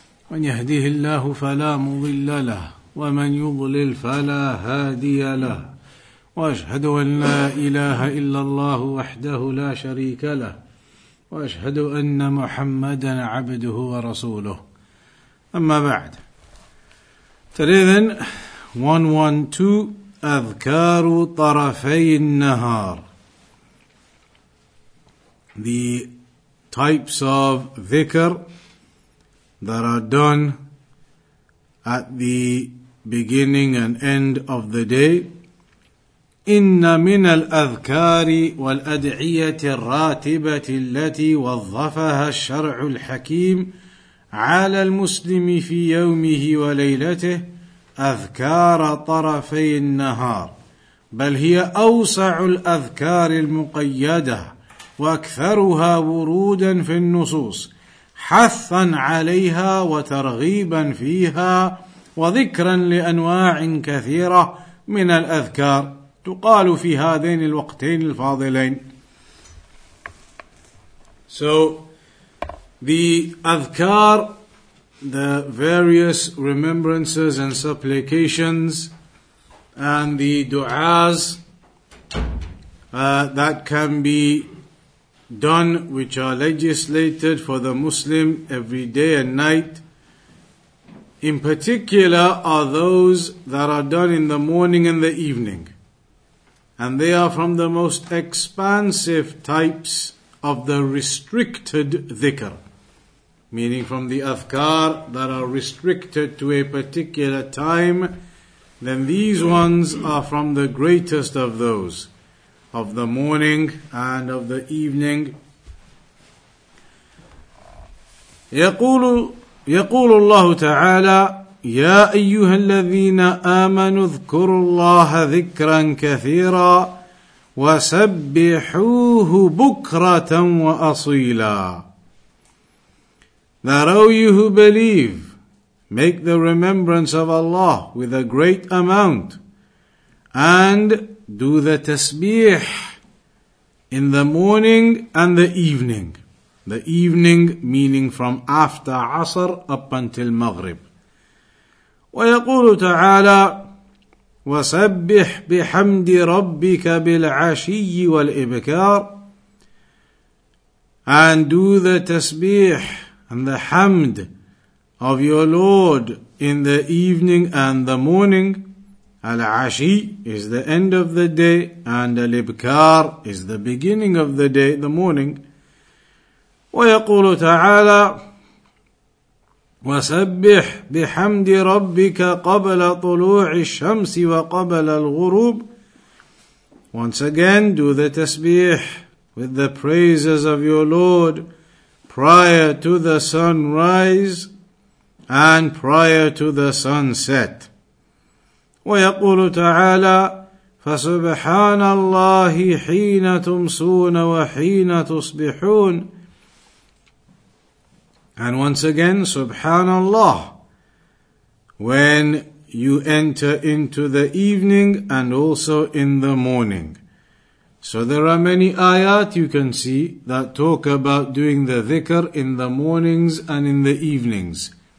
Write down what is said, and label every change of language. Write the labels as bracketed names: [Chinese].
[Arabic] من يهده الله فلا مضل له ومن يضلل فلا هادي له وأشهد أن لا إله إلا الله وحده لا شريك له وأشهد أن محمدا عبده ورسوله أما بعد فإذن 112 أذكار طرفي النهار. [English] The types of dhikr that are done at the beginning and end of the day. [Arabic] إن من الأذكار والأدعية الراتبة التي وظفها الشرع الحكيم على المسلم في يومه وليلته أذكار طرفي النهار بل هي أوسع الأذكار المقيدة وأكثرها ورودا في النصوص حثا عليها وترغيبا فيها وذكرا لأنواع كثيرة من الأذكار تقال في هذين الوقتين الفاضلين. [English] So the أذكار, the various remembrances and supplications and the du'as that can be done, which are legislated for the Muslim every day and night, in particular are those that are done in the morning and the evening. And they are from the most expansive types of the restricted dhikr, meaning from the adhkar that are restricted to a particular time, then these ones are from the greatest of those, of the morning and of the evening. [Arabic] يقول الله تعالى يا أيها الذين آمنوا اذكروا الله ذكرا كثيرا وسبحوه بكرة وأصيلا. [English] That, O you who believe, make the remembrance of Allah with a great amount, and do the tasbih in the morning and the evening. The evening meaning from after Asr up until Maghrib. [Arabic] ويقول تعالى وسبح بحمد ربك بالعشي والإبكار. [English] And do the tasbih and the hamd of your Lord in the evening and the morning. Al-ashi is the end of the day, and al-ibkar is the beginning of the day, the morning. [Arabic] ويقول تعالى وسبح بحمد ربك قبل طلوع الشمس وقبل الغروب. [English] Once again, do the tasbih with the praises of your Lord prior to the sunrise and prior to the sunset. [Arabic] ويقول تعالى فسبحان الله حين تمسون وحين تصبحون. [English] And once again, Subhanallah, when you enter into the evening and also in the morning. So there are many ayat you can see that talk about doing the dhikr in the mornings and in the evenings.